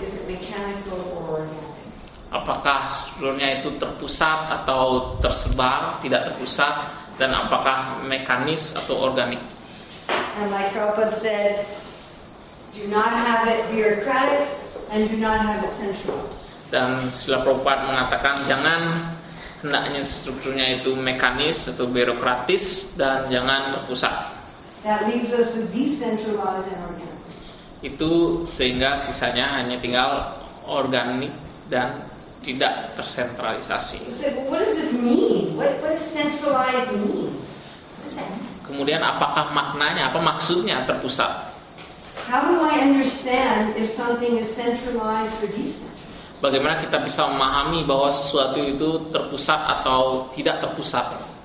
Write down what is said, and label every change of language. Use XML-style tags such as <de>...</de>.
<en>Is it mechanical or organic?</en> <id>Apakah seluruhnya itu terpusat atau tersebar, tidak terpusat, dan apakah mekanis atau organik?</id> <en>And like Prabhupada said, do not have it bureaucratic and do not have it centralized.</en> <id>Dan Srila Prabhupada mengatakan jangan hendaknya strukturnya itu mekanis atau birokratis dan jangan terpusat.</id> <en>That leaves us with decentralized and organic.</en> <id>Itu sehingga sisanya hanya tinggal organik dan tidak tersentralisasi.</id> <en>What does this mean? What does centralized mean? What's that?</en> <id>Kemudian apakah maknanya? Apa maksudnya terpusat?</id> <en>How do I understand if something is centralized or decentralized?</en> <id>Bagaimana kita bisa memahami bahwa sesuatu itu terpusat atau tidak terpusat?</id>